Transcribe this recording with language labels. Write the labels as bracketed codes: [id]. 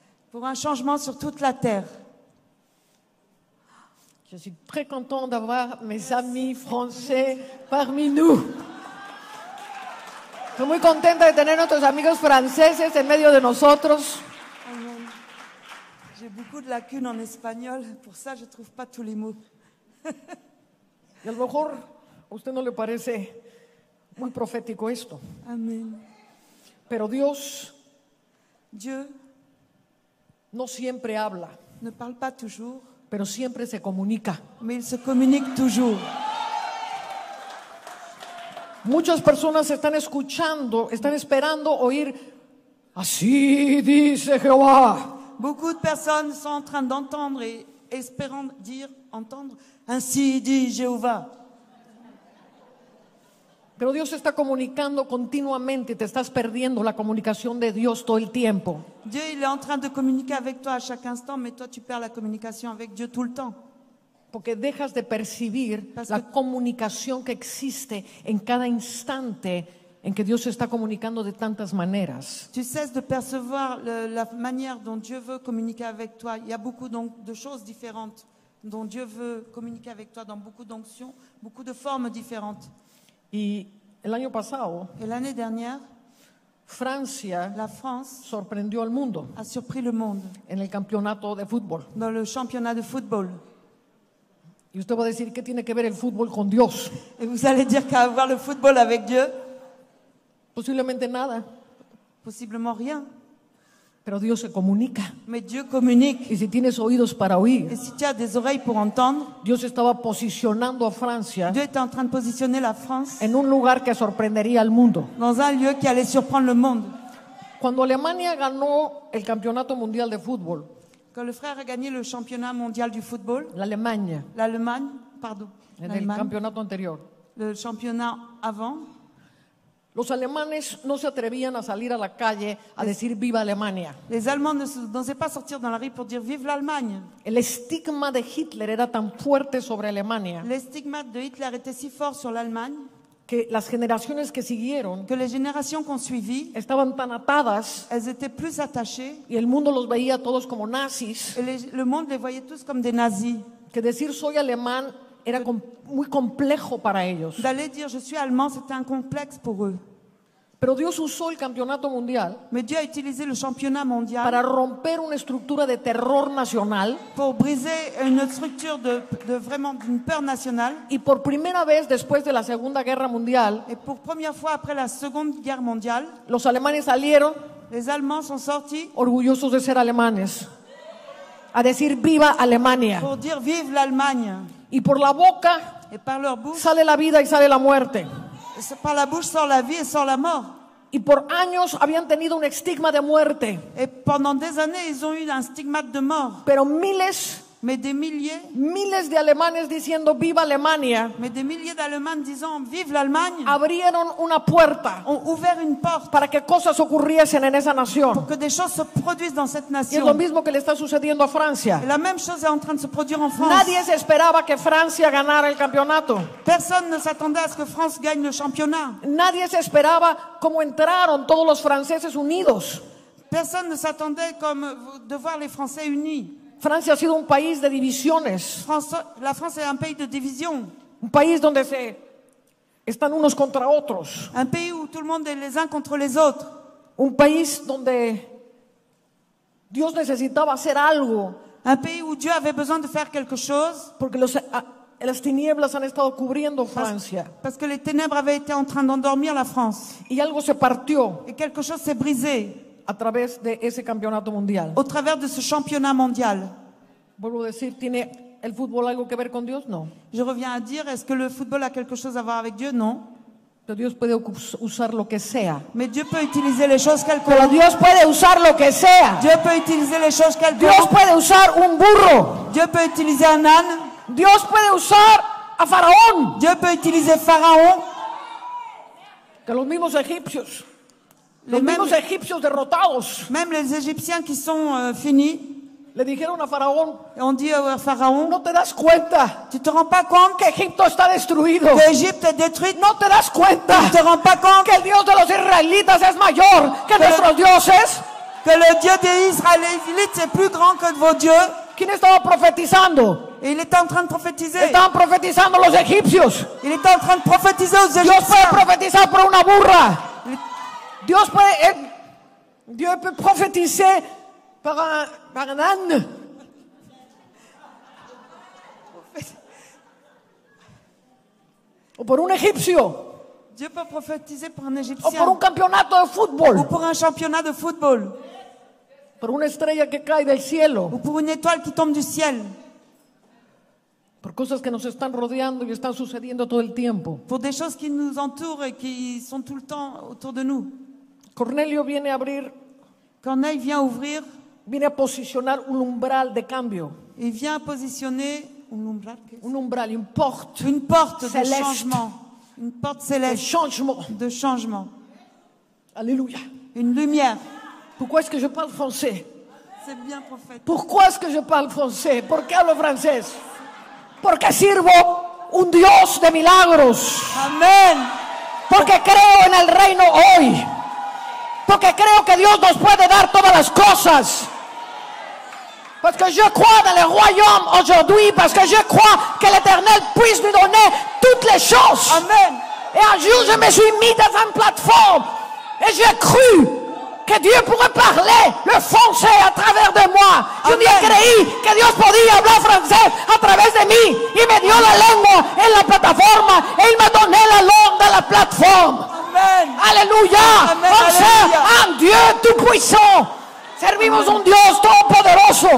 [fr] Pour un changement sur toute la terre. Je suis très content d'avoir mes merci. Amis français merci. Parmi nous. [es] Estoy muy contenta de tener nuestros amigos franceses en medio de nosotros. Amen. [fr] J'ai beaucoup de lacunes en espagnol, pour ça je trouve pas tous les mots. [es] Y a lo mejor a usted no le parece muy profético esto. Amén. Pero Dios, [fr] Dieu [es] no siempre habla. [fr] Ne parle pas toujours. [es] Pero siempre se comunica. [fr] Mais il se communique toujours. [es] Muchas personas están escuchando, están esperando oír. Así dice Jehová. [fr] Beaucoup de personnes sont en train d'entendre et espérant dire entendre. Ainsi dit Jéhovah. [es] Pero Dios está comunicando continuamente, te estás perdiendo la comunicación de Dios todo el tiempo. [fr] Dieu, il est en train de communiquer avec toi à chaque instant, mais toi tu perds la communication avec Dieu tout le temps. [es] Porque dejas de percibir la comunicación que existe en cada instante en que Dios está comunicando de tantas maneras. [fr] Tu cesses de percevoir la manière dont Dieu veut communiquer avec toi. Il y a beaucoup de choses différentes dont Dieu veut communiquer avec toi dans beaucoup d'onctions, beaucoup de formes différentes. [es] Y el año pasado, [fr] l'année dernière, [es] Francia, [fr] la France [es] sorprendió al mundo. [fr] A surpris le monde. [es] En el campeonato de fútbol. [fr] Dans le championnat de football. [es] Y usted va a decir, ¿qué tiene que ver el fútbol con Dios? [fr] Et vous allez dire qu'à voir le football avec Dieu? [es] Posiblemente nada. [fr] Possiblement rien. [es] Pero Dios se comunica. [fr] Mais Dieu communique. [es] Y si tienes oídos para oír. [fr] Et si tu as des oreilles pour entendre. [es] Dios estaba posicionando a Francia. [fr] Dieu était en train de positionner la France. [es] En un lugar que sorprendería al mundo. [fr] Dans un lieu qui allait surprendre le monde. [es] Cuando Alemania ganó el campeonato mundial de fútbol. [fr] Quand le frère a gagné le championnat mondial du football. [es] L'Allemagne. En el campeonato anterior. [fr] Le championnat avant. [es] Los alemanes no se atrevían a salir a la calle a decir viva Alemania. [fr] Les Allemands ne osaient pas sortir dans la rue pour dire vive l'Allemagne. [es] El estigma de Hitler era tan fuerte sobre Alemania. [fr] L'estigma de Hitler était si fort sur l'Allemagne. [es] Que las generaciones que siguieron, [fr] que les générations qu'on suivit, [es] estaban tan atadas, [fr] elles étaient plus attachées, [es] y el mundo los veía todos como nazis. [fr] Le monde les voyait tous comme des nazis. [es] Que decir soy alemán era muy complejo para ellos. [fr] D'aller dire je suis allemand, c'était un complexe pour eux. [es] Pero Dios usó el campeonato mundial, [fr] mais Dieu a utilisé le championnat mondial, [es] para romper una estructura de terror nacional, [fr] pour briser une structure de vraiment d'une peur nationale, [es] y por primera vez después de la Segunda Guerra Mundial, [fr] et pour première fois après la Seconde Guerre mondiale, [es] los alemanes salieron, [fr] les Allemands sont sortis, [es] orgullosos de ser alemanes, a decir viva Alemania, [fr] pour dire vive l'Allemagne. [es] Y por la boca, [fr] et par leur bouche, [es] sale la vida y sale la muerte. [fr] Par la bouche sort la vie et sort la mort. [es] Y por años habían tenido un estigma de muerte. [fr] Et pendant des années, ils ont eu un stigmate de mort. [es] Pero miles, [fr] mais des milliers, [es] miles de alemanes diciendo viva Alemania, [fr] mais des milliers d'Allemands disant vive l'Allemagne, [es] abrieron una puerta, [fr] ont ouvert une porte, [es] para que cosas ocurriesen en esa nación, [fr] pour que des choses se produisent dans cette nation. [es] Y es lo mismo que le está sucediendo a Francia. [fr] Et la même chose est en train de se produire en France. [es] Nadie se esperaba que Francia ganara el campeonato. [fr] Personne ne s'attendait à ce que France gagne le championnat. [es] Nadie se esperaba cómo entraron todos los franceses unidos. [fr] Personne ne s'attendait comme de voir les Français unis. [es] Francia ha sido un país de divisiones. [fr] La France est un pays de division. [es] Un país donde se están unos contra otros. [fr] Un pays où tout le monde est les uns contre les autres. [es] Un país donde Dios necesitaba hacer algo. [fr] Un pays où Dieu avait besoin de faire quelque chose. [es] Porque las tinieblas han estado cubriendo Francia. [fr] Parce que les ténèbres avaient été en train d'endormir la France. [es] Y algo se partió. [fr] Et quelque chose s'est brisé. [es] A través de ese campeonato mundial. [fr] Au travers de ce championnat mondial. [es] Vuelvo a decir, ¿tiene el fútbol algo que ver con Dios? No. [fr] Je reviens à dire, est-ce que le football a quelque chose à voir avec Dieu? Non. [es] Pero Dios puede usar lo que sea. [fr] Mais Dieu peut utiliser les choses qu'elle [es] peut. Pero Dios puede usar lo que sea. [fr] Dieu peut utiliser les choses qu'elle [es] peut. Dios puede usar un burro. [fr] Dieu peut utiliser un âne. [es] Dios puede usar a Faraón. [fr] Dieu peut utiliser Pharaon. [es] Que los mismos egipcios. Los mismos egipcios derrotados. [fr] Même les Égyptiens qui sont finis. [es] Le dijeron a Faraón. [fr] On dit au Pharaon. [es] No te das cuenta. [fr] Tu te rends pas compte [es] que Egipto está destruido. [fr] Que Egipto est détruite. [es] No te das cuenta. [fr] Tu te rends pas compte [es] que el Dios de los israelitas es mayor que nuestros dioses. [fr] Que le Dieu des Israélites est plus grand que vos dieux. [es] ¿Quién estaba profetizando? [fr] Et il était en train de prophétiser. [es] Estaban profetizando los egipcios. [fr] Il était en train de prophétiser aux Égyptiens. [es] Dios puede profetizar por una burra. Dios puede, Dios puede profetizar para un âne. O por un egipcio. [fr] Dieu peut prophétiser pour un égyptien. [es] O por un campeonato de fútbol. [fr] Ou pour un championnat de football. [es] Por una estrella que cae del cielo. [fr] Ou pour une étoile qui tombe du ciel. [es] Por cosas que nos están rodeando y están sucediendo todo el tiempo. [fr] Pour des choses qui nous entourent et qui sont tout le temps autour de nous. [es] Cornelio viene a abrir. [fr] Corneille vient ouvrir. [es] Viene a posicionar un umbral de cambio. [fr] Il vient positionner un umbral. [es] Un umbral, une porte. [fr] Une porte céleste. De changement. Une porte céleste. De changement. De changement. Alléluia. Une lumière. Pourquoi est-ce que je parle français? C'est bien prophète. Pourquoi est-ce que je parle français? Pourquoi [es] hablo francés? Porque sirvo un Dios de milagros. Amén. Porque creo en el reino hoy. Porque creo que Dios nos puede dar todas las cosas. Porque yo creo en el [fr] royaume aujourd'hui. [es] Porque yo creo que l'Éternel puede [fr] nous donner [es] todas las cosas. Amén. [fr] Y un jour, je me suis mis dans une plateforme. Y j'ai cru que Dieu pourrait parler le français à travers de moi. Je n'ai [es] creí que Dios podía hablar francés a través de mí. Y me dio la lengua en la plataforma. [fr] Y me donné la langue de la plateforme. Amen. Alléluia. Amen. Alléluia. Un Dieu tout puissant. Servimos Amen. [es] Un Dios todo poderoso.